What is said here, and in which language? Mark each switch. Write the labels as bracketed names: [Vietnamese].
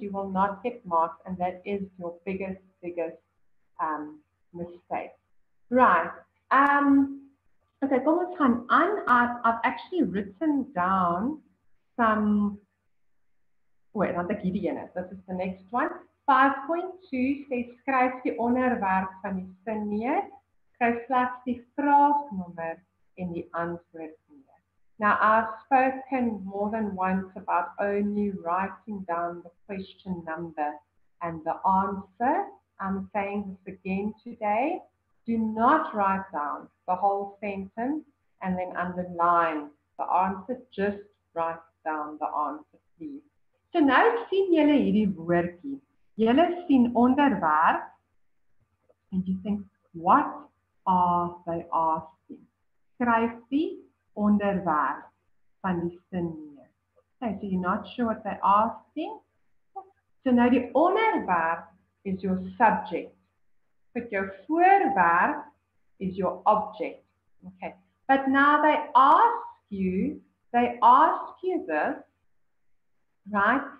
[English] You will not get marks, and that is your biggest mistake. Right. Okay, [Afrikaans] kom ons gaan aan. [English] I've actually written down some, wait, not the giddy in it. This is the next one. [Afrikaans] 5.2 says, skryf die onderwerp van die sin neer, skryf slegs die vraagnommer en die antwoord neer. [English] Now, I've spoken more than once about only writing down the question number and the answer. I'm saying this again today. Do not write down the whole sentence and then underline the answer. Just write down the answer, please. [Afrikaans] So nou sien julle hierdie woordjie. Julle sien onderwerp [English] and you think, what are they asking? [Afrikaans] Skryf die onderwerp van die sin neer. [English] Okay, so you're not sure what they're asking. [Afrikaans] So nou die onderwerp is [English] your subject. But your voorwerp is your object. Okay. But now they ask you this, right?